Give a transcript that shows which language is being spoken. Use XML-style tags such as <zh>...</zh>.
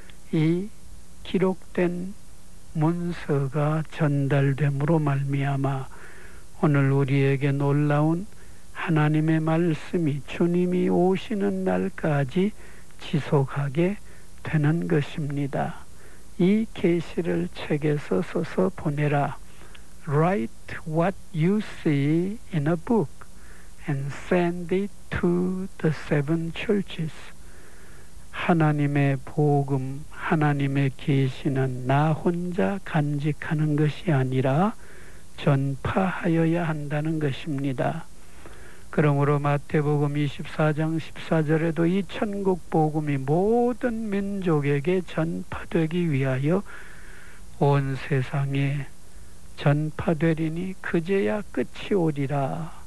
<ko>이 기록된 문서가 전달됨으로 말미암아 오늘 우리에게 놀라운 하나님의 말씀이 주님이 오시는 날까지 지속하게 되는 것입니다. 이 계시를 책에 써서 보내라.</ko> <en>Write what you see in a book and send it to the seven churches.</en> <ko>하나님의 복음, 하나님의 계시는 나 혼자 간직하는 것이 아니라 전파하여야 한다는 것입니다. 그러므로 마태복음 24장 14절에도 이 천국 복음이 모든 민족에게 전파되기 위하여 온 세상에 전파되리니 그제야 끝이 오리라.</ko>